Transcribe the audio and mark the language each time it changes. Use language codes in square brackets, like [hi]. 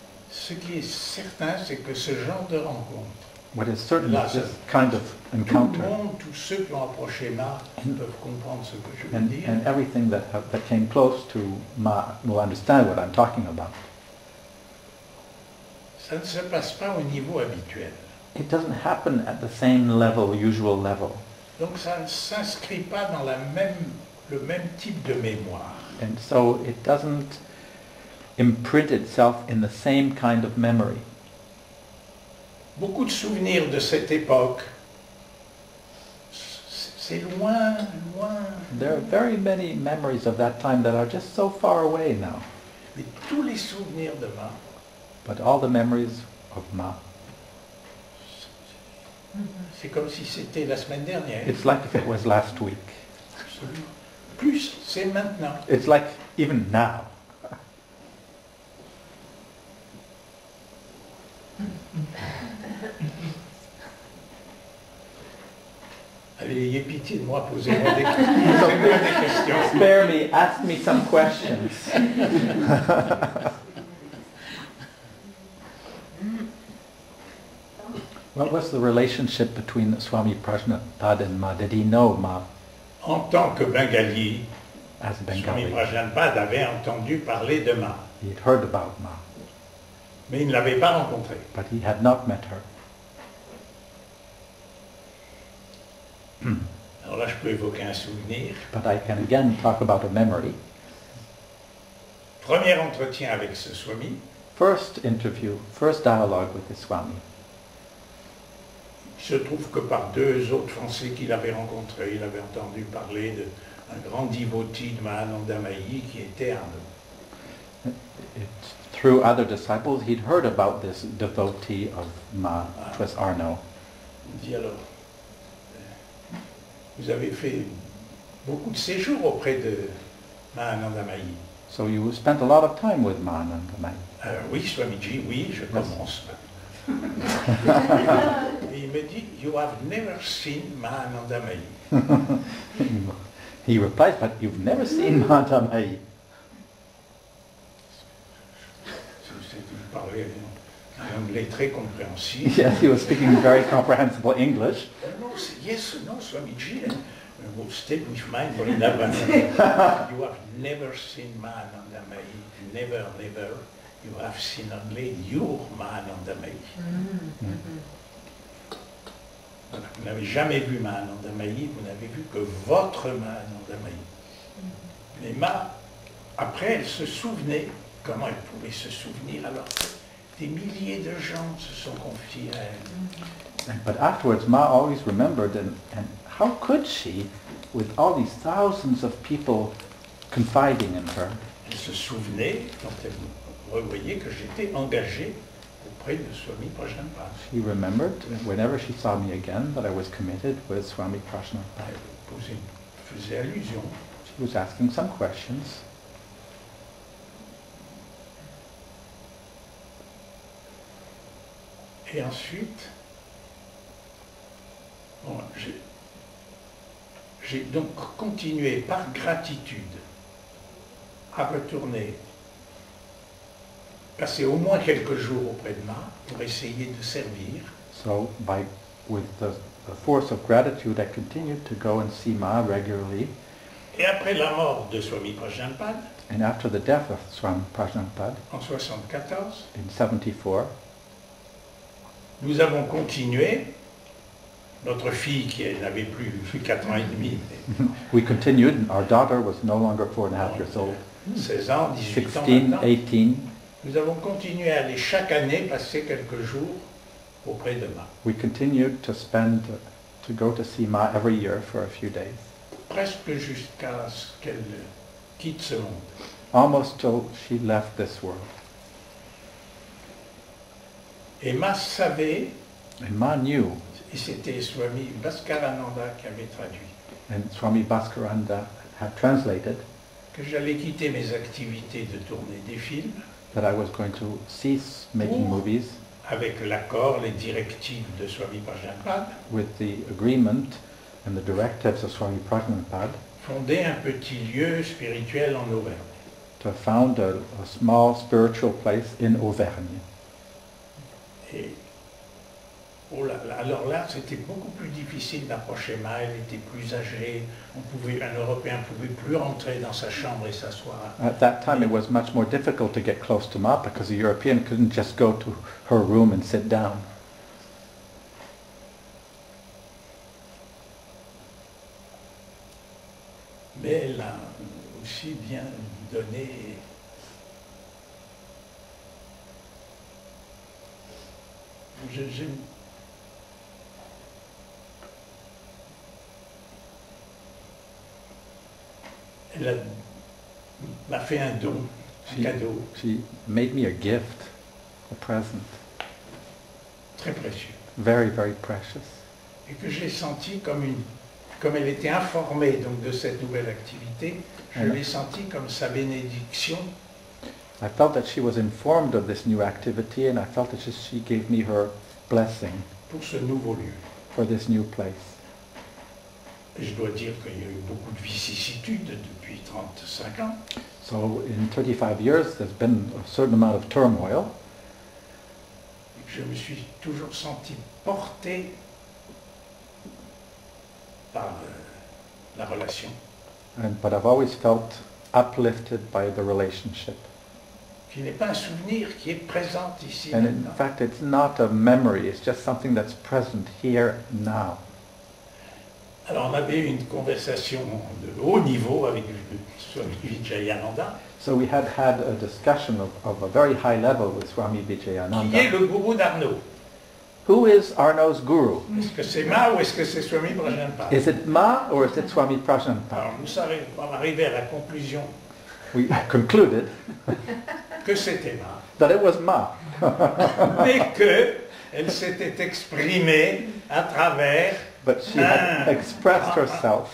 [fr] Ce qui est certain, c'est que ce genre de rencontre. [en] What is certain is this kind of encounter. [fr] Tout le monde, tous ceux qui ont approché Ma peuvent comprendre ce que je veux dire. [en] And everything that came close to Ma will understand what I'm talking about. [fr] Ça ne se passe pas au niveau habituel. [en] It doesn't happen at the same level, usual level. [fr] Donc ça ne s'inscrit pas dans le même type de mémoire. [en] And so it doesn't imprint itself in the same kind of memory. [fr] Beaucoup de souvenirs de cette époque, c'est loin, loin. [en] There are very many memories of that time that are just so far away now. [fr] Mais tous les souvenirs de Ma. [en] But all the memories of Ma. [fr] C'est comme si c'était la semaine dernière. [en] It's like if it was last week. [fr] Absolument. Plus, c'est maintenant. [en] It's like even now. [fr] Ayez pitié de moi, posez-moi des questions. [en] Spare me, ask me some questions. What was the relationship between Swami Prajnanpad and Ma? Did he know Ma? [fr] En tant que Bengali, [en] as a Bengali, [fr] Swami Prajnanpad avait entendu parler de Ma. [en] He had heard about Ma. [fr] Mais il ne l'avait pas rencontrée. [en] But he had not met her. [fr] Alors là, je peux évoquer un souvenir. [en] But I can again talk about a memory. [fr] Premier entretien avec ce Swami. [en] First interview, first dialogue with the Swami. [fr] Il se trouve que par deux autres Français qu'il avait rencontrés, il avait entendu parler d'un grand devotee de Ma Anandamayi qui était Arnaud. [en] Through other disciples, he'd heard about this devotee of Ma, which was Arnaud. [fr] Il dit alors, vous avez fait beaucoup de séjours auprès de Ma Anandamayi. [en] So you spent a lot of time with Ma Anandamayi. [fr] Oui, Swamiji, oui, je commence. Il me dit, [en] you have never seen Ma Anandamayi. He replies, but you've never seen Ma Anandamayi. [fr] Il parlait un anglais très compréhensif. [en] Yes, he was speaking very comprehensible English. Yes, no, Swamiji, we'll stay with mine for another. You have never seen Ma Anandamayi. Never, never. You have seen only your Ma Anandamayi. [fr] Vous n'avez jamais vu Ma Anandamayi, vous n'avez vu que votre Ma Anandamayi. Mais Ma, après, elle se souvenait, comment elle pouvait se souvenir alors que des milliers de gens se sont confiés à elle. [en] But afterwards, Ma always remembered, and how could she, with all these thousands of people confiding in her? [fr] Elle se souvenait quand elle revoyait que j'étais engagé auprès de Swami Prajnanpad. [en] She remembered, whenever she saw me again, that I was committed with Swami Prajnanpad. [fr] Elle faisait allusion. [en] She was asking some questions. [fr] Et ensuite, bon, j'ai donc continué par gratitude à retourner passer au moins quelques jours auprès de Ma pour essayer de servir. [en] So, with the force of gratitude, I continued to go and see Ma regularly. [fr] Et après la mort de Swami Prajnanpad, [en] and after the death of Swami Prajnanpad, [fr] en 74, [en] in 74, [fr] nous avons continué. Notre fille qui n'avait plus 4 ans et demi. [en] We continued. Our daughter was no longer 4.5 years old. [fr] 16 ans, 18 ans. [en] 16, 18. [fr] Nous avons continué à aller chaque année passer quelques jours auprès de Ma. [en] We continued to spend to go to see Ma every year for a few days. [fr] Presque jusqu'à ce qu'elle quitte ce monde. [en] Almost till she left this world. [fr] Et Ma savait. [en] And Ma knew. [fr] Et c'était Swami Bhaskarananda qui avait traduit. [en] And Swami Bhaskarananda had translated. [fr] Que j'allais quitter mes activités de tourner des films. [en] That I was going to cease making movies. [fr] Avec l'accord, les directives de Swami Prajnanpad. [en] With the agreement and the directives of Swami Prajnanpad. [fr] Fonder un petit lieu spirituel en Auvergne. [en] To found a small spiritual place in Auvergne. [fr] Oh là là, alors là, c'était beaucoup plus difficile d'approcher Ma, elle était plus âgée, un Européen ne pouvait plus rentrer dans sa chambre et s'asseoir. [en] At that time, it was much more difficult to get close to Ma, because a European couldn't just go to her room and sit down. [fr] Mais elle a aussi bien donné... Elle m'a fait un don, un cadeau. [en] She made me a gift, a present. [fr] très précieux. [en] Very, very precious. [fr] Et que j'ai senti comme une, comme elle était informée donc de cette nouvelle activité, je l'ai senti comme sa bénédiction. [en] I felt that she was informed of this new activity, and I felt that she gave me her blessing. [fr] Pour ce nouveau lieu. [en] For this new place. [fr] Je dois dire qu'il y a eu beaucoup de vicissitudes depuis 35 ans. [en] So in 35 years, there's been a certain amount of turmoil. [fr] Je me suis toujours senti porté par la relation. [en] But I've always felt uplifted by the relationship. [fr] Qui n'est pas un souvenir qui est présent ici. [en] And in fact, it's not a memory. It's just something that's present here now. [fr] Alors on avait une conversation de haut niveau avec Swami Vijayananda. [en] So we had had a discussion of a very high level with Swami Vijayananda. [fr] Qui est le gourou d'Arnaud? [en] Who is Arnaud's guru? [fr] Est-ce que c'est Ma ou est-ce que c'est Swami Prajnanpad? [en] Is it Ma or is it Swami Prajnanpad? [fr] Alors nous sommes arrivés à la conclusion. [en] We concluded [fr] que c'était Ma. [en] That it was Ma. [fr] Mais que elle s'était exprimée à travers. [en] But she had expressed herself.